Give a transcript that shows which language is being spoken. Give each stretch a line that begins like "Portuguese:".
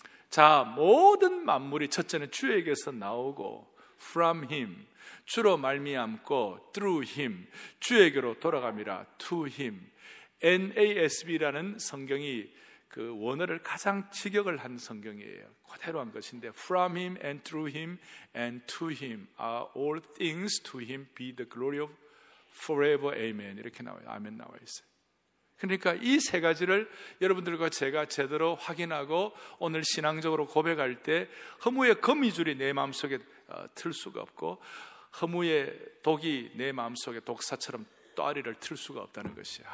Korean: 자, 모든 만물이 첫째는 주에게서 나오고
English: from him,
Korean: 주로 말미암고
English: through him,
Korean: 주에게로 돌아감이라
English: to him.
Korean: NASB라는 성경이 그 원어를 가장 직역을 한 성경이에요. 그대로 한 것인데
English: From him and through him and to him are all things to him be the glory of forever.
Korean: Amen. 이렇게 나와요. 아멘 나와 있어요. 그러니까 이 세 가지를 여러분들과 제가 제대로 확인하고 오늘 신앙적으로 고백할 때 허무의 거미줄이 내 마음속에 틀 수가 없고 허무의 독이 내 마음속에 독사처럼 또아리를 틀 수가 없다는 것이에요.